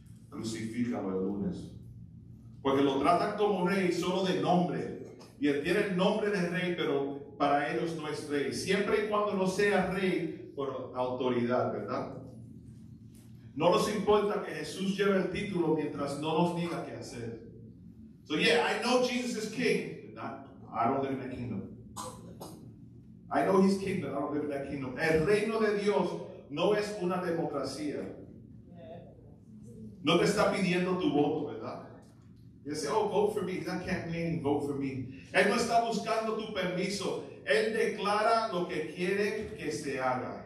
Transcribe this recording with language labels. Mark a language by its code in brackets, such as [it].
[es] Crucifícalo el lunes. Porque lo tratan como rey, solo de nombre. Y él tiene el nombre de rey, pero para ellos no es rey. Siempre y cuando no sea rey por autoridad, ¿verdad? No nos importa que Jesús lleve el título mientras no nos diga qué hacer. [en] So yeah, I know Jesus is king, but not, I don't live in that kingdom. I know he's king, but I don't live in that kingdom. [es] El reino de Dios no es una democracia. No te está pidiendo tu voto, ¿verdad? Y dice: [en] oh, vote for me. That can't mean vote for me. [es] Él no está buscando tu permiso. Él declara lo que quiere que se haga.